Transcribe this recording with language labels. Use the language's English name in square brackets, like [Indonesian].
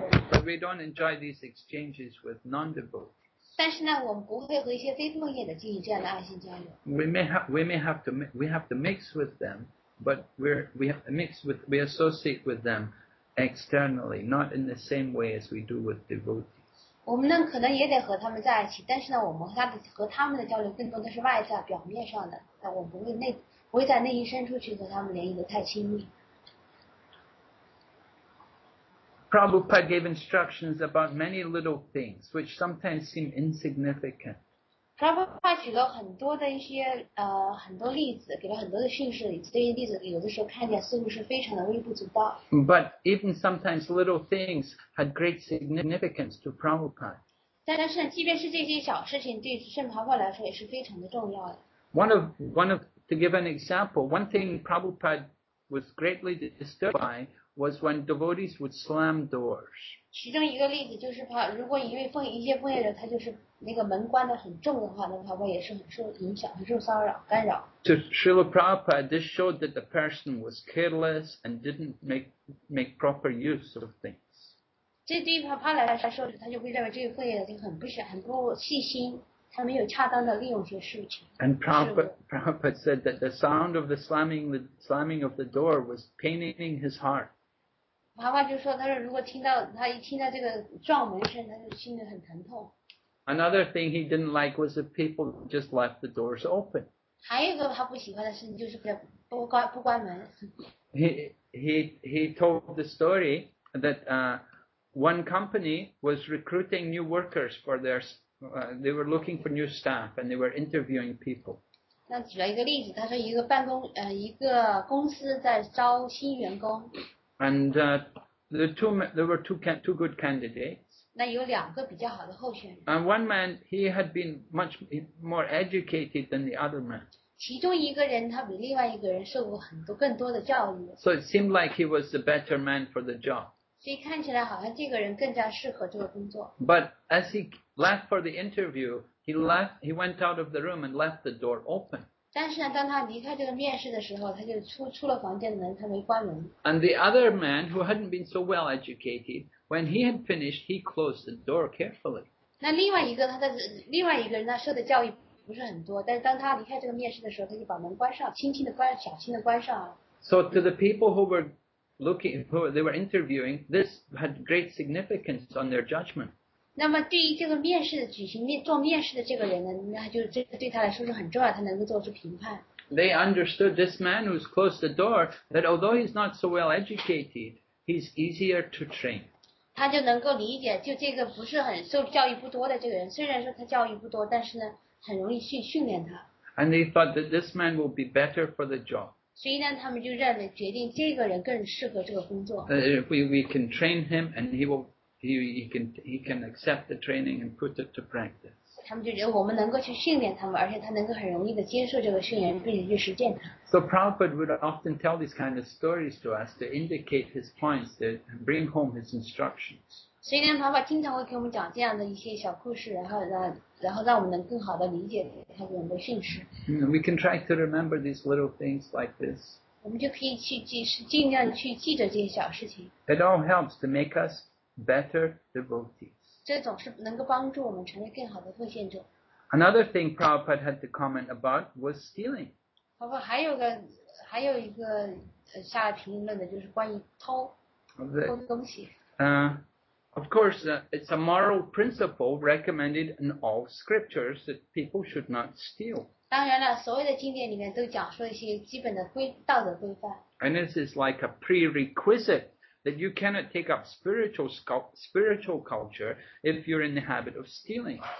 [English] But we don't enjoy these exchanges with non-devotees. [Chinese] 但是呢，我们不会和一些非奉献者进行这样的爱心交流。 [English] We have to mix with them, but we associate with them externally, not in the same way as we do with devotees. [Chinese] 我们呢，可能也得和他们在一起，但是呢，我们和他们的交流更多的是外在、表面上的，但我们不会在内心深处去和他们联系的太亲密。 [English] Prabhupada gave instructions about many little things which sometimes seem insignificant. [Chinese] Prabhupada 举了很多的一些很多例子，给了很多的训示，这些例子有的时候看见似乎是非常的微不足道。 [English] But even sometimes little things had great significance to Prabhupada. [Chinese] 但是即便是这些小事情，对圣婆婆来说也是非常的重要的。 [English] One of to give an example, one thing Prabhupada was greatly disturbed by. Was when devotees would slam doors. [Chinese] 其中一个例子就是怕，如果一些奉献者他就是那个门关的很重的话，那婆婆也是很受影响，很受骚扰干扰。 [English] To Srila Prabhupada, this showed that the person was careless and didn't make proper use of things. [Chinese] 这对婆婆来说，他就会认为这个奉献者就很不细心，他没有恰当的利用一些事情。 [English] And Prabhupada said that the sound of the slamming of the door was paining his heart. [Chinese] 妈妈就说，她说如果他一听到这个撞门声，他就心里很疼痛。 [English] Another thing he didn't like was if people just left the doors open. [Chinese] 还有一个他不喜欢的事情就是不关门。 [English] He told the story that one company was recruiting new workers for their they were looking for new staff and they were interviewing people. [Chinese] 那举了一个例子，他说一个公司在招新员工。 [English] And there were two good candidates. [Chinese] 那有两个比较好的候选人。 [English] And one man, he had been much more educated than the other man. [Chinese] 其中一个人他比另外一个人受过很多更多的教育。 [English] So it seemed like he was the better man for the job. [Chinese] 所以看起来好像这个人更加适合这个工作。 [English] But as he left for the interview, he went out of the room and left the door open. [Chinese] 但是呢，当他离开这个面试的时候，他就出了房间的门，他没关门。 [English] And the other man who hadn't been so well educated, when he had finished, he closed the door carefully. [Chinese] 那另外一个人他受的教育不是很多，但是当他离开这个面试的时候，他就把门关上，轻轻的关，小心的关上了。 [English] So to the people who were looking, who they were interviewing, this had great significance on their judgment. [Chinese] 那么对于这个面试举行做面试的这个人呢，那就这对他来说是很重要，他能够做出评判。 [English] They understood this man who's closed the door that although he's not so well educated, he's easier to train. [Chinese] 他就能够理解，就这个不是很受教育不多的这个人，虽然说他教育不多，但是呢，很容易去训练他。 [English] And they thought that this man will be better for the job. [Chinese] 所以呢，他们就认为决定这个人更适合这个工作。 [English] We can train him, and he will. He can accept the training and put it to practice. [Chinese] 他们就觉得我们能够去训练他们，而且他能够很容易的接受这个训练，并且去实践它。 [English] So Prabhupada would often tell these kind of stories to us to indicate his points to bring home his instructions. [Chinese] 随缘堂法经常会给我们讲这样的一些小故事，然后让我们能更好的理解他给我们的训示。 [English] We can try to remember these little things like this. [Chinese] 我们就可以去记，是尽量去记着这些小事情。 [English] It all helps to make us better devotees. [Chinese] 这总是能够帮助我们成为更好的奉献者。 [English] Another thing Prabhupada had to comment about was stealing. [Chinese] 包括还有一个下评论的就是关于偷东西。 [English] Of course, it's a moral principle recommended in all scriptures that people should not steal. [Chinese] 当然了，所有的经典里面都讲述一些基本的道德规范。 [English] And this is like a prerequisite that you cannot take up spiritual culture if you're in the habit of stealing.